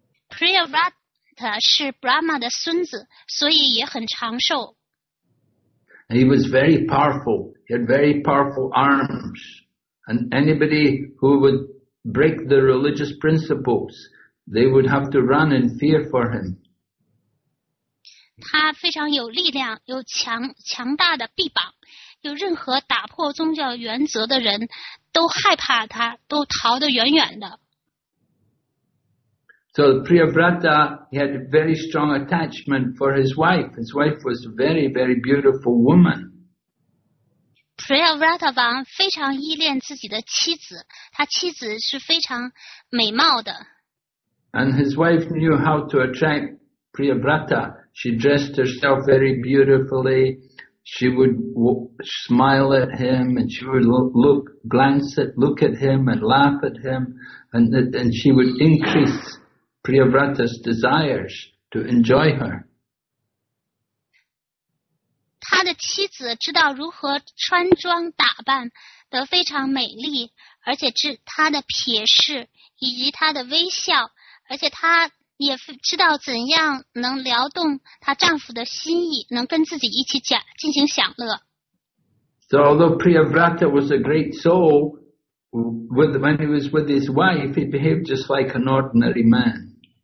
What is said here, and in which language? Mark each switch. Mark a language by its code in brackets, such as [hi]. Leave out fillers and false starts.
[zh] Priyavrata 是 Brahma 的孙子，所以也很长寿。 [en] He was very powerful. He had very powerful arms. And anybody who would break the religious principles, they would have to run in fear for him. [zh] 他非常有力量，有强大的臂膀。有任何打破宗教原则的人，都害怕他，都逃得远远的。 [en] So Priyavrata, he had a very strong attachment for his wife. His wife was a very, very beautiful woman. [zh] Priyavrata 王非常依恋自己的妻子，他妻子是非常美貌的。 [en] And his wife knew how to attract Priyavrata. She dressed herself very beautifully. She would smile at him, and she would look at him and laugh at him, and she would increase Priyavrata's desires to enjoy her. [zh] 他的妻子知道如何穿装打扮得非常美丽，而且是他的瞥视以及他的微笑，而且他也知道怎样能撩动她丈夫的心意，能跟自己一起进行享乐。 [en] So although Priyavrata was a great soul, when he was with his wife, he behaved just like an ordinary man.